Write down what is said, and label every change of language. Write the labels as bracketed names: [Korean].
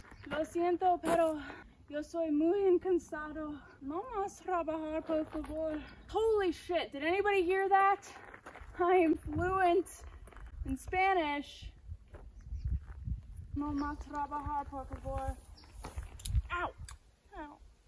[Spanish] Lo siento, pero yo soy muy cansado. No más trabajar, por favor. [English] Holy shit, did anybody hear that? I am fluent in Spanish. [Spanish] No más trabajar, por favor. Ow! Ow.